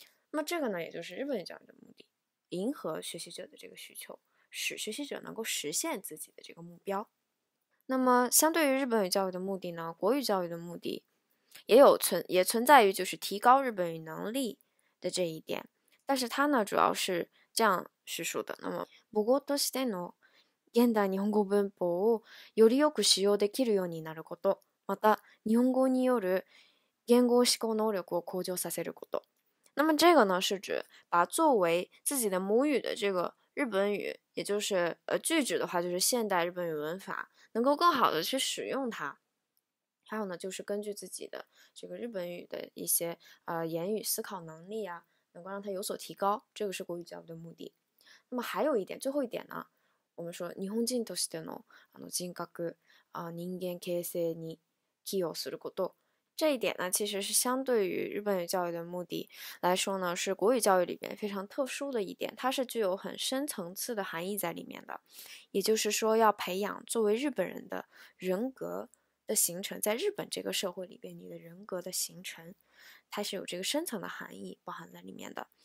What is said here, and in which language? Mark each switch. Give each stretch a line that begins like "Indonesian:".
Chinese: 那么这个呢，也就是日本语教育的目的，迎合学习者的这个需求，使学习者能够实现自己的这个目标。那么相对于日本语教育的目的呢，国语教育的目的也存在于就是提高日本语能力的这一点，但是它呢主要是这样叙述的。
Japanese: 那么，母語としての現代日本語文法をよりよく使用できるようになること、また、日本語による言語思考能力を向上させること。
Chinese: 那么这个呢是指把作为自己的母语的这个日本语，也就是句子的话，就是现代日本语文法，能够更好的去使用它。还有呢，就是根据自己的这个日本语的一些言语思考能力啊，能够让它有所提高，这个是国语教育的目的。那么还有一点，最后一点呢，我们说
Japanese: 日本人としての人格人間形成に寄与すること。
Chinese: 这一点呢，其实是相对于日本语教育的目的来说呢，是国语教育里面非常特殊的一点，它是具有很深层次的含义在里面的。也就是说，要培养作为日本人的人格的形成，在日本这个社会里边，你的人格的形成，它是有这个深层的含义包含在里面的。